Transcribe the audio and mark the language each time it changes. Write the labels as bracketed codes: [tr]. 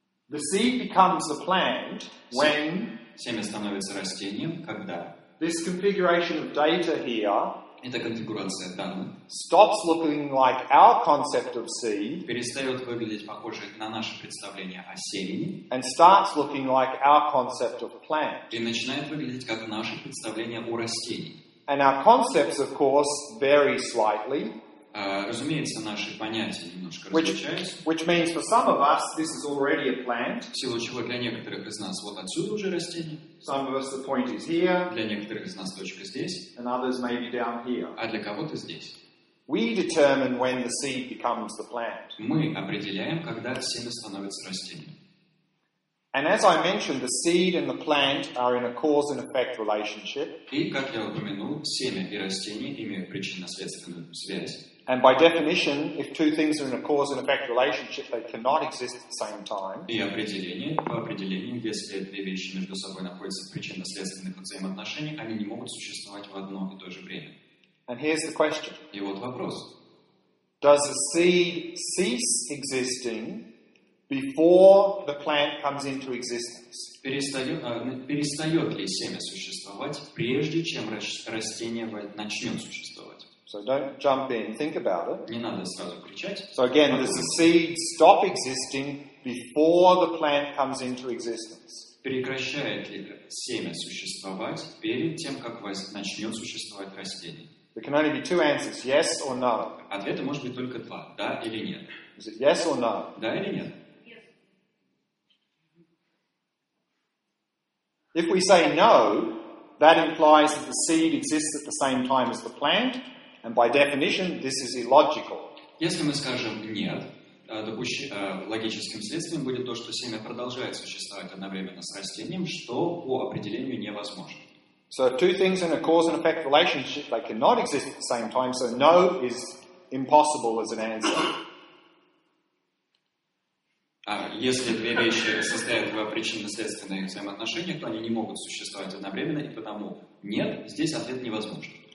[en] The seed becomes the plant when... [ru] Семя становится растением, когда... [en] This configuration of data here... [ru] Эта конфигурация данных... [en] Stops looking like our concept of seed... [ru] Перестает выглядеть похоже на наше представление о семени... [en] And starts looking like our concept of plant. [ru] И начинает выглядеть как наше представление о растении. [en] And our concepts, of course, vary slightly. [ru] Разумеется, наши понятия немножко различаются. [en] Which means for some of us, this is already a plant. [ru] В силу чего для некоторых из нас вот отсюда уже растение. [en] Some of us the point is here. [ru] Для некоторых из нас точка здесь. [en] And others may be down here. [ru] А для кого-то здесь. [en] We determine when the seed becomes the plant. [ru] Мы определяем, когда семя становится растением. [en] And as I mentioned, the seed and the plant are in a cause and effect relationship. [ru] И как я упомянул, семя и растение имеют причинно-следственную связь. [en] And by definition, if two things are in a cause and effect relationship, they cannot exist at the same time. [ru] И определение, по определению, если две вещи между собой находятся в причинно-следственных взаимоотношениях, они не могут существовать в одно и то же время. [en] And here's the question. [ru] И вот вопрос. [en] Does the seed cease existing before the plant comes into existence? [ru] Перестает ли семя существовать, прежде чем растение начнет существовать? [en] So don't jump in, think about it. [ru] Не надо сразу кричать. [en] So again, does the seed stop existing before the plant comes into existence? [ru] Прекращает ли семя существовать перед тем, как начнет существовать растение? [en] There can only be two answers, yes or no. [ru] Ответа может быть только два, да или нет. [en] Is it yes or no? [ru] Да или нет. [en] If we say no, that implies that the seed exists at the same time as the plant, and by definition, this is illogical. [ru] Если мы скажем нет, логическим следствием будет то, что семя продолжает существовать одновременно с растением, что по определению невозможно. [en] So two things in a cause and effect relationship, they cannot exist at the same time, so no is impossible as an answer. [ru] Если две вещи состоят в причинно-следственных взаимоотношениях, то они не могут существовать одновременно, и потому нет, здесь ответ невозможен.